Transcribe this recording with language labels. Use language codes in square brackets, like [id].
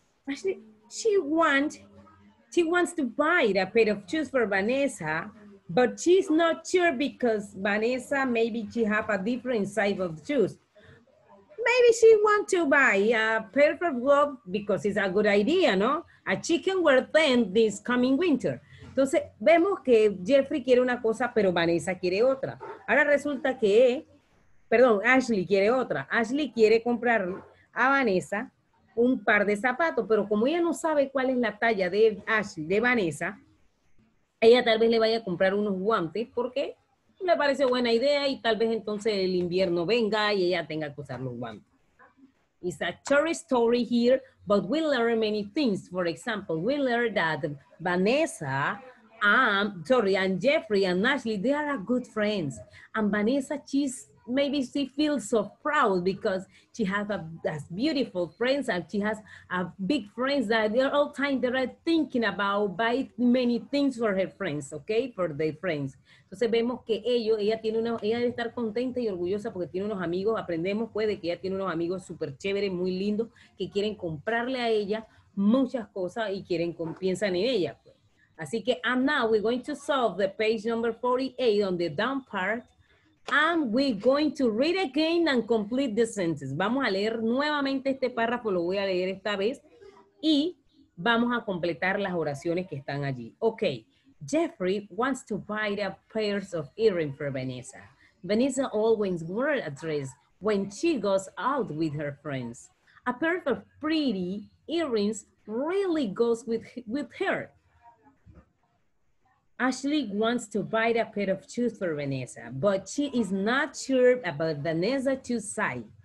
[en] Actually, she wants to buy a pair of shoes for Vanessa, but she's not sure because Vanessa, maybe she have a different size of shoes. Maybe she wants to buy a pair of gloves because it's a good idea, ¿no? A chicken wear them this coming winter. [es] Entonces, vemos que Jeffrey quiere una cosa, pero Vanessa quiere otra. Ahora resulta que, Ashley quiere otra. Ashley quiere comprar a Vanessa un par de zapatos, pero como ella no sabe cuál es la talla de Ashley, de Vanessa, ella tal vez le vaya a comprar unos guantes porque le parece buena idea y tal vez entonces el invierno venga y ella tenga que usar los guantes. [en] It's a short story here, but we learn many things. For example, we learn that Vanessa, and Jeffrey and Ashley, they are good friends. And Vanessa, she's maybe she feels so proud because she has that beautiful friends, and she has a big friends that they're all time that are thinking about buy many things for her friends, okay, for their friends. [es] Entonces vemos que ella debe estar contenta y orgullosa porque tiene unos amigos, aprendemos pues de que ella tiene unos amigos súper chéveres, muy lindos, que quieren comprarle a ella muchas cosas y quieren piensan en ella. Así que, [en] and now we're going to solve the page number 48 on the down part, and we're going to read again and complete the sentence. [es] Vamos a leer nuevamente este párrafo, lo voy a leer esta vez, y vamos a completar las oraciones que están allí. [en] Okay, Jeffrey wants to buy a pair of earrings for Vanessa. Vanessa always wears a dress when she goes out with her friends. A pair of pretty earrings really goes with her. Ashley wants to buy a pair of shoes for Vanessa, but she is not sure about Vanessa's shoe size.